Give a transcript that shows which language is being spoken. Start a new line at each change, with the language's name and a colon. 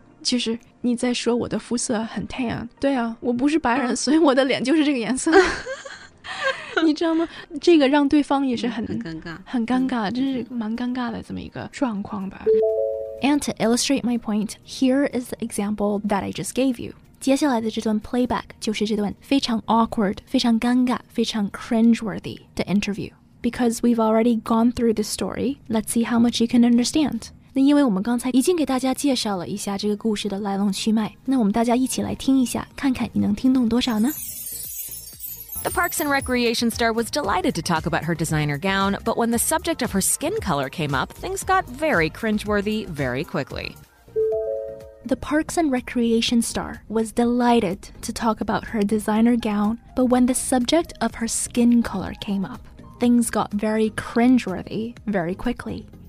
Chinese: 就是你在说我的肤色很 tan, 对啊，我不是白人，所以我的脸就是这个颜色。你知道吗？这个让对方也是很尴尬，很尴尬，这是蛮尴尬的这么一个状况吧。
English: And to illustrate my point, here is the example that I just gave you.
Chinese: 接下来的这段 playback 就是这段非常 awkward, 非常尴尬，非常 cringeworthy 的 interview.
English: Because we've already gone through the story, let's see how much you can understand.
Chinese: 那因为我们刚才已经给大家介绍了一下这个故事的来龙去脉，那我们大家一起来听一下，看看你能听懂多少呢？
English: The Parks and Recreation star was delighted to talk about her designer gown, but when the subject of her skin color came up, things got very cringeworthy very quickly. The Parks and Recreation star was delighted to talk about her designer gown, but when the subject of her skin color came up, things got very cringeworthy very quickly.